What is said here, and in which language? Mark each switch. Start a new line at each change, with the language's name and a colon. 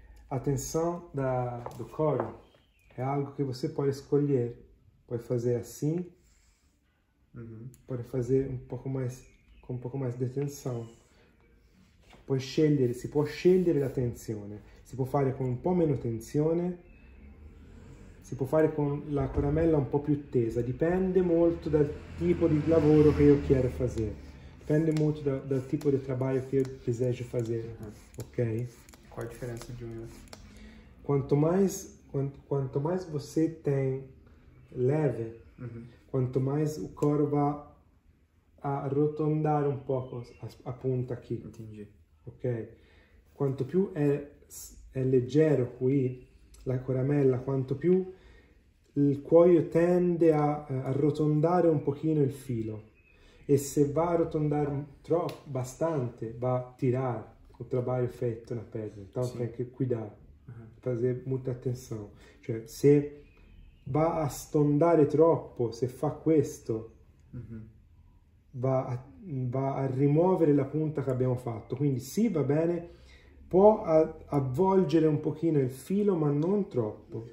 Portuguese: Atenção do coro, é algo que você pode escolher, pode fazer assim, pode fazer com um pouco mais de tensão, pode escolher, se pode escolher a tensão, se pode fazer com um pouco menos tensão, se pode fazer com a coramela um pouco mais tesa, depende muito do tipo de trabalho que eu quero fazer.
Italian: Dipende molto dal tipo di lavoro che io desidero fare, ok? Qual è la differenza di un'altra?
Portuguese: Quanto mais você tem leve, quanto mais o coro
Italian: va a arrotondare un po' a punta qui.
Portuguese: Entendi. Ok?
Italian: Quanto più è leggero qui la coramella, quanto più il cuoio tende a arrotondare un pochino il filo. E se va a rotondare troppo, bastante, va a tirare il lavoro fatto nella pelle.
Portuguese: Então, sì. Tem que cuidar, fazer muita attenzione.
Italian: Cioè, se va a stondare troppo, se fa questo, va a rimuovere la punta che abbiamo fatto. Quindi sì, va bene, può avvolgere un pochino il filo, ma non troppo.